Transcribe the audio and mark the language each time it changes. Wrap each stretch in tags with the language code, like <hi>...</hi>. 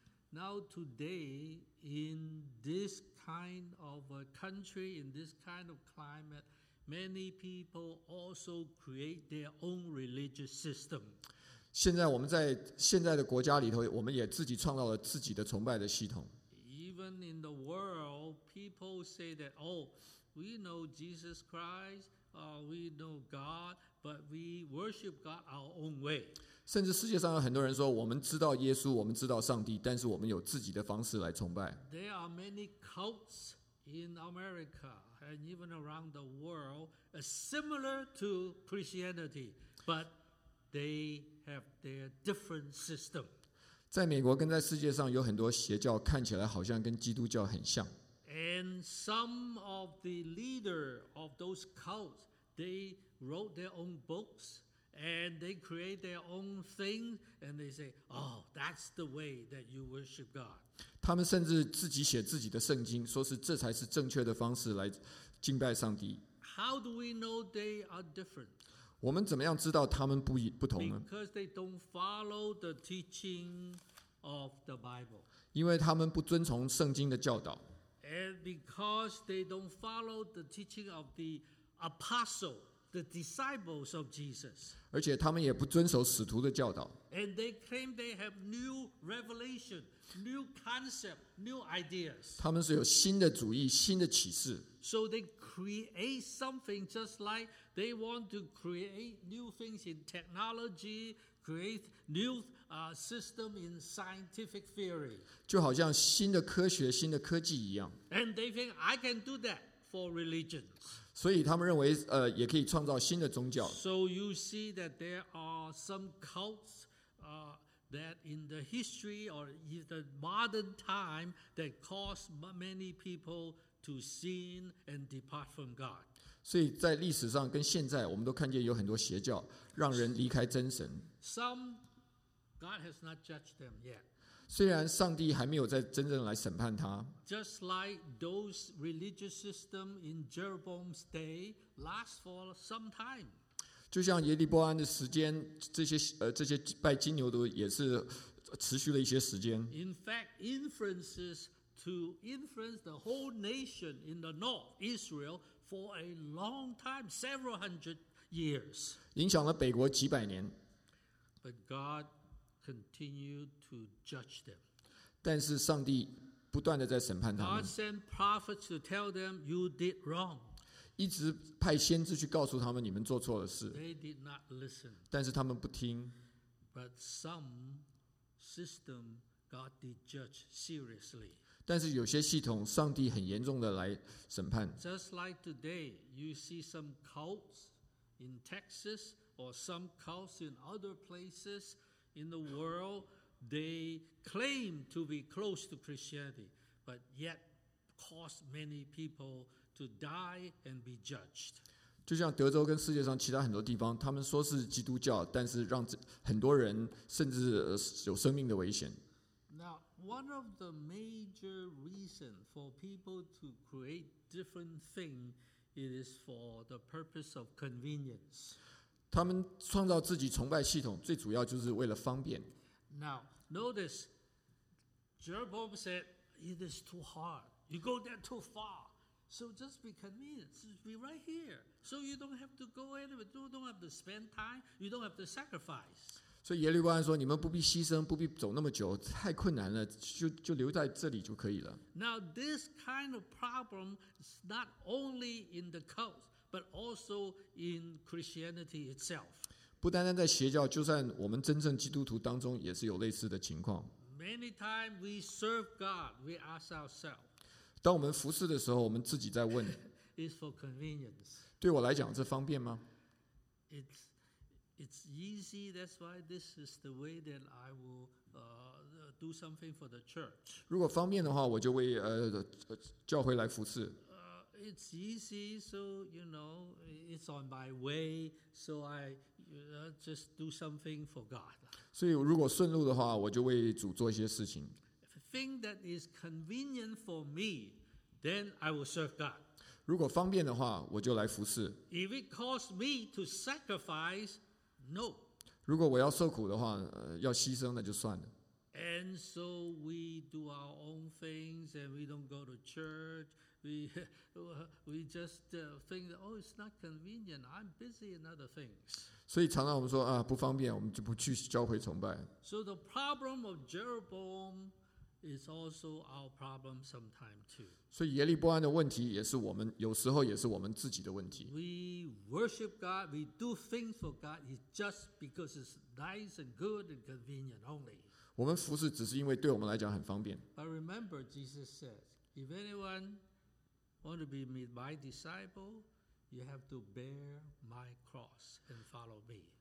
<en>Now today, in this kind of a country, in this kind of climate, many people also create their own religious system.</en> <zh>现在我们在现在的国家里头，我们也自己创造了自己的崇拜的系统。</zh> <en>Even in the world, people say that, oh, we know Jesus Christ, we know God, but we worship God our own way.</en> <zh>甚至世界上有很多人说，我们知道耶稣，我们知道上帝，但是我们有自己的方式来崇拜。</zh> <en>There are many cults in America and even around the world, similar to Christianity, but they have their different system.</en> <zh>在美国跟在世界上有很多邪教，看起来好像跟基督教很像。</zh> <en>And some of the leaders of those cults, they wrote their own books. And they create their own thing, and they say, "Oh, that's the way that you worship God."</en> <zh>他们甚至自己写自己的圣经，说是这才是正确的方式来敬拜上帝。</zh> <en>How do we know they are different?</en> <zh>我们怎么样知道他们不同呢？</zh> <en>Because they don't follow the teaching of the Bible.</en> <zh>因为他们不遵从圣经的教导。</zh> <en>And because they don't follow the teaching of the apostle. The disciples of Jesus.</en> <zh>而且他们也不遵守使徒的教导。</zh> <en>And they claim they have new revelation, new concept, new ideas.</en> <zh>他们是有新的主意，新的启示。</zh> <en>So they create something just like they want to create new things in technology, create new system in scientific theory.</en> <zh>就好像新的科学、新的科技一样。</zh> <en>And they think I can do that for religion.</en> <zh>所以他们认为，也可以创造新的宗教。</zh> <en>So you see that there are some cults, that in the history or in the modern time that caused many people to sin and depart from God.</en> <zh>所以在历史上跟现在，我们都看见有很多邪教让人离开真神。</zh> <en>Some God has not judged them yet.</en> <zh>虽然上帝还没有在真正来审判他</zh> <en>，Just like those religious system in Jeroboam's day last for some time，</en> <zh>就像耶利波安的时间，这些拜金牛犊也是持续了一些时间。</zh> <en>In fact, influences to influence the whole nation in the north Israel for a long time, several hundred years，</en> <zh>影响了北国几百年。</zh> <en>But God. Continue to judge them.</en> <zh>但是上帝不断地在审判他们。</zh> <en>God sent prophets to tell them you did wrong.</en> <zh>一直派先知去告诉他们你们做错了事。</zh> <en>They did not listen.</en> <zh>但是他们不听。</zh> <en>But some system God did judge seriously.</en> <zh>但是有些系统上帝很严重地来审判。</zh> <en>Just like today, you see some cults in Texas or some cults in other places. In the world, they claim to be close to Christianity, but yet cause many people to die and be judged.</en> <zh>就像德州跟世界上其他很多地方，他们说是基督教，但是让很多人甚至有生命的危险。</zh> <en>Now, one of the major reasons for people to create different things is for the purpose of convenience.</en> <zh>他们创造自己崇拜系统，最主要就是为了方便。</zh> <en>Now, notice, Jeroboam said, "It is too hard. You go there too far. So just be convenient. Just be right here. So you don't have to go anywhere. You don't have to spend time. You don't have to sacrifice."</en> <zh>所以耶利巴说：“你们不必牺牲，不必走那么久，太困难了，就留在这里就可以了。”</zh> <en>Now, this kind of problem is not only in the cults. But also in Christianity itself.</en> <zh>不单单在邪教，就算我们真正基督徒当中，也是有类似的情况。</zh> <en>Many times we serve God, we ask ourselves.</en> <zh>当我们服事的时候，我们自己在问。</zh> <en>It's for convenience.</en> <zh>对我来讲，这方便吗？</zh> <en>It's It's easy. That's why this is the way that I will do something for the church.</en> <zh>如果方便的话，我就为教会来服侍。</zh> <en>It's easy, so you know it's on my way. So I just do something for God.</en> <zh>所以如果顺路的话，我就为主做一些事情。</zh> <en>Thing that is convenient for me, then I will serve God.</en> <zh>如果方便的话，我就来服侍。</zh> <en>If it costs me to sacrifice. No.</en> <zh>如果我要受苦的话，要牺牲那就算了。</zh> <en>And so we do our own things, and we don't go to church. We just think, oh, it's not convenient. I'm busy in other things.</en> <zh>所以常常我们说啊，不方便，我们就不去教会崇拜。</zh> <en>So the problem of Jeroboam is also our problem sometimes too.</en> <zh>所以耶利波安的问题也是我们有时候也是我们自己的问题。</zh> <en>We worship God, we do things for God, it's just because it's nice and good and convenient only.</en> <zh>我们服事只是因为对我们来讲很方便。</zh> <en>But remember, Jesus says, if anyone want to be my disciple, you have to bear my cross and follow me.</en>